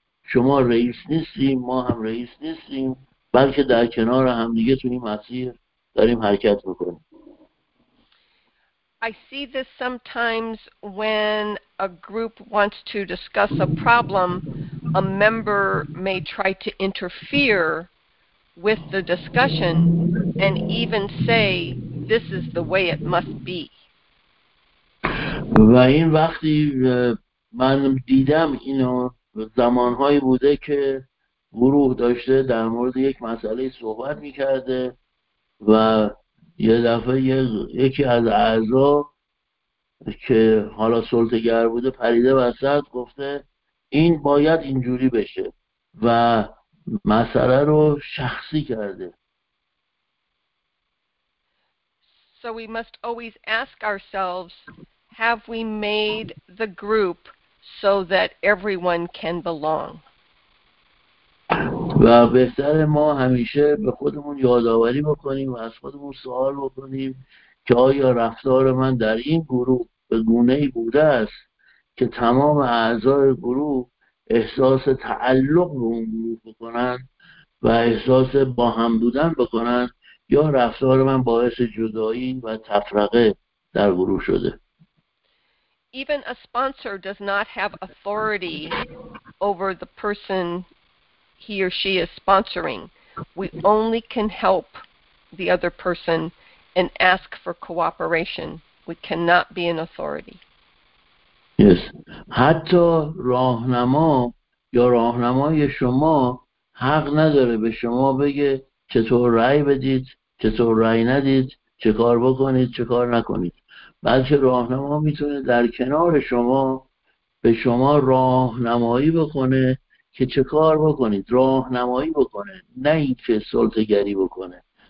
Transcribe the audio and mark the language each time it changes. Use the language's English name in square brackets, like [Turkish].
[Persian] شما رئیس نیستیم، ما هم رئیس نیستیم، بلکه در کنار همدیگه توی مسیر داریم حرکت میکنیم. [English] I see this sometimes when a group wants to discuss a problem, a member may try to interfere with the discussion and even say, this is the way it must be. [Persian] و این وقتی من دیدم اینو زمانهایی بوده که گروه داشته در مورد یک مسئله صحبت میکرده و یه دفعه یکی از اعضا که حالا سلطه‌گر بوده پریده وسط گفته این باید اینجوری بشه و مسئله رو شخصی کرده. [English] So we must always ask ourselves, have we made the group so that everyone can belong? [Persian] و بهتر ما همیشه به خودمون یادآوری بکنیم و از خودمون سوال بکنیم که آیا رفتار من در این گروه به گونه‌ای بوده است که تمام اعضای گروه احساس تعلق به اون گروه بکنن و احساس با هم بودن بکنن، یا رفتار من باعث جدایی و تفرقه در گروه شده. [English] Even a sponsor does not have authority over the person he or she is sponsoring. We only can help the other person and ask for cooperation. We cannot be an authority. Yes. [Persian] حتی راهنما یا راهنمای شما حق نداره به شما بگه چطور رأی بدید، چطور رأی ندید، چه کار بکنید، چه کار نکنید. بلکه راهنما میتونه در کنار شما به شما راهنمایی بکنه که چه کار بکنید، راهنمایی بکنه، نه اینکه سلطه‌گری بکنه.